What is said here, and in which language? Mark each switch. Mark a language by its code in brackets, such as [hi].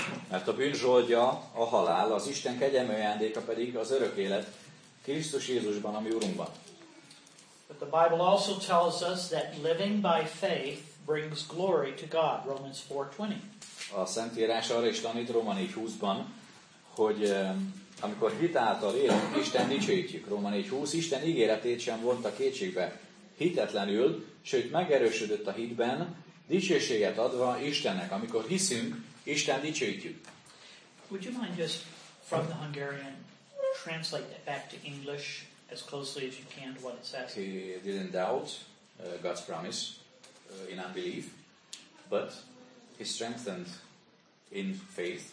[hu] Mert a bűn zsoldja a halál, az Isten kegyelmi ajándéka pedig az örök élet Krisztus Jézusban, a mi Urunkban. [en] But the Bible also tells us that living by faith brings glory to God. Romans 4:20. [hu] A Szentírás arra is tanít, Róma 4:20-ban, hogy amikor hitáltal élünk, Isten dicsőítjük. Róma 4:20, Isten ígéretét sem vonta kétségbe hitetlenül, sőt megerősödött a hitben, dicsőséget adva Istennek. Amikor hiszünk, Isten dicsőítjük. [en] Would you mind just from the Hungarian translate that back to English as closely as you can to what it says? He didn't doubt God's promise in unbelief, but he strengthened in faith.